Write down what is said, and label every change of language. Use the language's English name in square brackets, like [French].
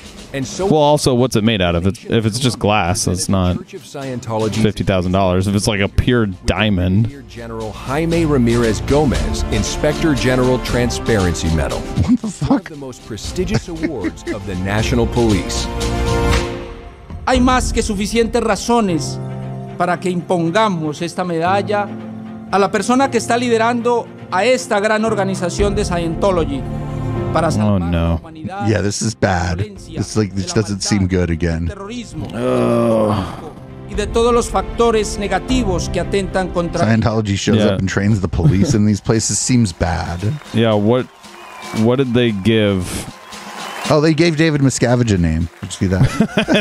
[English] And so well, also, what's it made out of? If it's just glass, it's not $50,000. If it's like a pure diamond. General Jaime Ramirez Gomez, Inspector General Transparency Medal. What the fuck? One of the most prestigious awards of the National Police. [Spanish] Hay más que suficientes razones para que impongamos esta medalla a la persona que está liderando a esta gran organización de Scientology. [English] Oh no. Yeah, this is bad. It's like this doesn't seem good again. Scientology shows up and trains the police in these places seems bad. Yeah, what did they give? Oh, they gave David Miscavige a name. Did you see that?